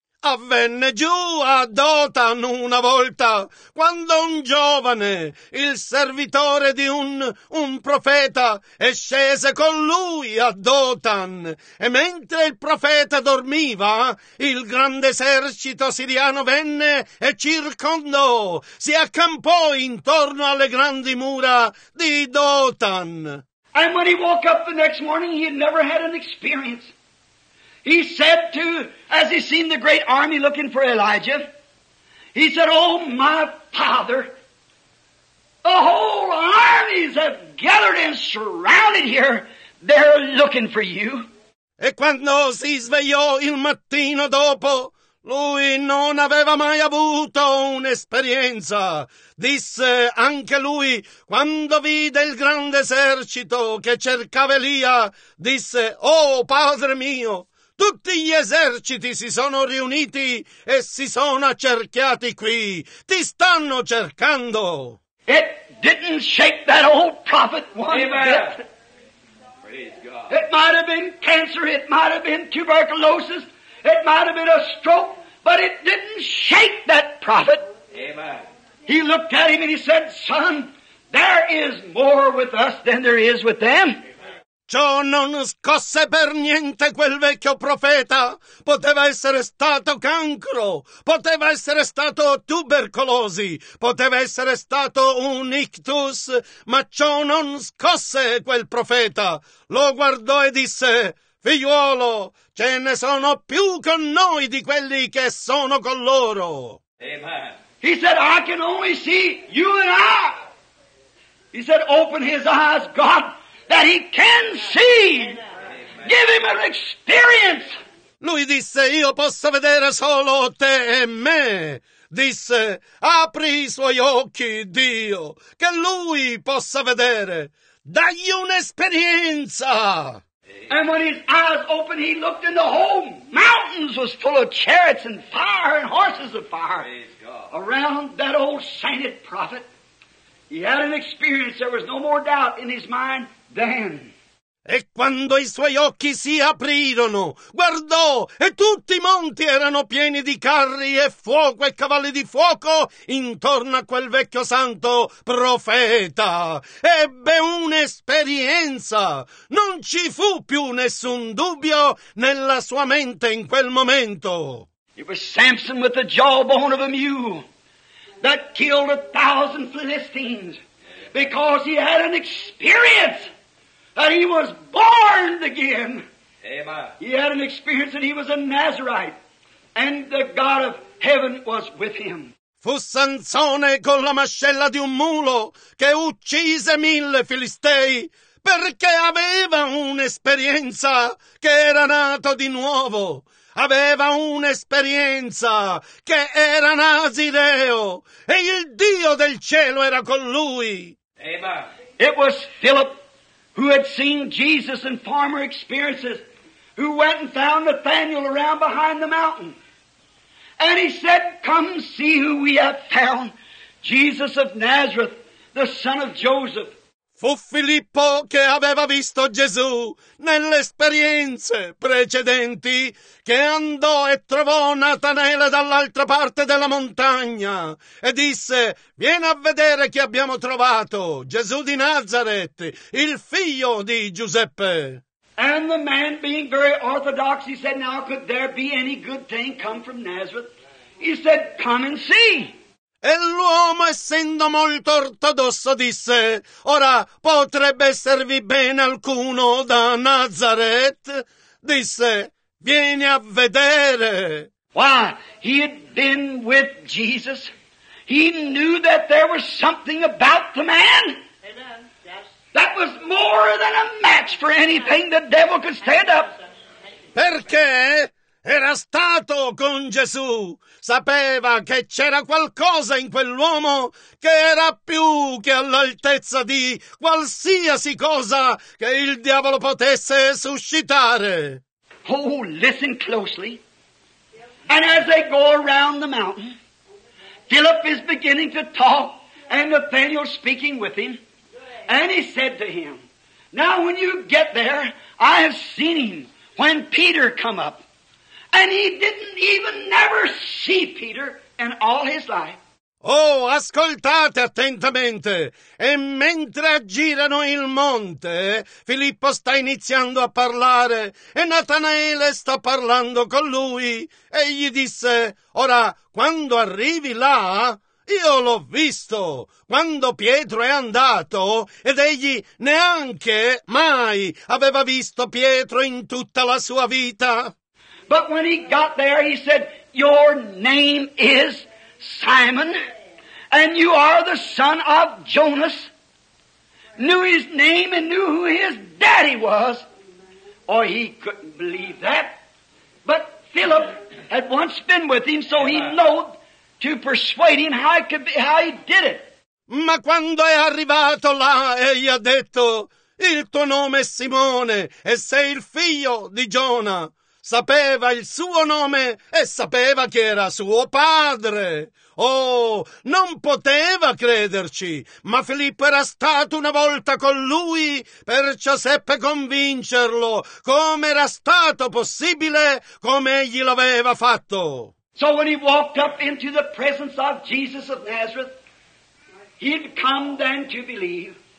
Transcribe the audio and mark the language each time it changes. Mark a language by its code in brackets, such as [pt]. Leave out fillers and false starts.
[it] Avvenne giù a Dothan una volta, quando un giovane, il servitore di un profeta, e scese con lui a Dothan. E mentre il profeta dormiva, il grande esercito siriano venne e circondò, si accampò intorno alle grandi mura di Dothan. [en] And when he woke up the next morning, he had never had an experience. He said to, as he seen the great army looking for Elijah, he said, "Oh, my father, the whole armies have gathered and surrounded here. They're looking for you." [it] E quando si svegliò il mattino dopo, lui non aveva mai avuto un'esperienza. Disse anche lui, quando vide il grande esercito che cercava Elia, disse, "Oh, padre mio, tutti gli eserciti si sono riuniti e si sono accerchiati qui. Ti stanno cercando." [en] It didn't shake that old prophet one bit. Praise God. It might have been cancer. It might have been tuberculosis. It might have been a stroke. But it didn't shake that prophet. Amen. He looked at him and he said, "Son, there is more with us than there is with them." [it] Ciò non scosse per niente quel vecchio profeta. Poteva essere stato cancro, poteva essere stato tubercolosi, poteva essere stato un ictus, ma ciò non scosse quel profeta. Lo guardò e disse, "Figliuolo, ce ne sono più con noi di quelli che sono con loro." Amen. [en] He said, "I can only see you and I." He said, "Open his eyes, God, that he can see. Give him an experience." [it] Lui disse, "Io posso vedere solo te e me." Disse, "Apri i suoi occhi, Dio, che lui possa vedere. Dagli un'esperienza." [en] And when his eyes opened, he looked in the whole mountains was full of chariots and fire and horses of fire. Around that old sainted prophet, he had an experience. There was no more doubt in his mind. [it] E quando i suoi occhi si aprirono, guardò e tutti i monti erano pieni di carri e fuoco e cavalli di fuoco intorno a quel vecchio santo profeta. Ebbe un'esperienza. Non ci fu più nessun dubbio nella sua mente in quel momento. [en] It was Samson with the jawbone of a mule that killed a thousand Philistines because he had an experience. That he was born again. Amen. He had an experience that he was a Nazarite, and the God of heaven was with him. [it] Fu Sansone con la mascella di un mulo che uccise 1000 Filistei perché aveva un'esperienza che era nato di nuovo. Aveva un'esperienza che era Nazireo e il Dio del cielo era con lui. Amen. [en] It was Philip, who had seen Jesus in former experiences, who went and found Nathanael around behind the mountain. And he said, "Come see who we have found, Jesus of Nazareth, the son of Joseph." [it] Fu Filippo che aveva visto Gesù nelle esperienze precedenti, che andò e trovò Natanaele dall'altra parte della montagna e disse, "Vieni a vedere chi abbiamo trovato, Gesù di Nazareth, il figlio di Giuseppe." [en] And the man being very orthodox, he said, "Now could there be any good thing come from Nazareth?" He said, come and see. [it] E l'uomo, essendo molto ortodosso, disse, ora potrebbe esservi bene alcuno da Nazareth? Disse, vieni a vedere. [en] Why, he had been with Jesus. He knew that there was something about the man. That was more than a match for anything the devil could stand up. [it] Perché era stato con Gesù. Sapeva che c'era qualcosa in quell'uomo che era più che all'altezza di qualsiasi cosa che il diavolo potesse suscitare. [en] Oh, listen closely. And as they go around the mountain, Philip is beginning to talk and Nathanael speaking with him. And he said to him, now when you get there, I have seen him when Peter come up. And he didn't even never see Peter in all his life. [it] Oh, ascoltate attentamente. E mentre girano il monte, Filippo sta iniziando a parlare e Natanaele sta parlando con lui. E gli disse, ora, quando arrivi là... Io l'ho visto quando Pietro è andato ed egli neanche mai aveva visto Pietro in tutta la sua vita. [en] But when he got there he said, your name is Simon and you are the son of Jonas. Knew his name and knew who his daddy was. Oh, he couldn't believe that. But Philip had once been with him so he knew to persuade him how he could be, how he did it. [it] Ma quando è arrivato là, egli ha detto, il tuo nome è Simone e sei il figlio di Giona. Sapeva il suo nome e sapeva chi era suo padre. Oh, non poteva crederci, ma Filippo era stato una volta con lui, perciò seppe convincerlo come era stato possibile, come egli l'aveva fatto. [en] So when he walked up into the presence of Jesus of Nazareth, he'd come then to believe.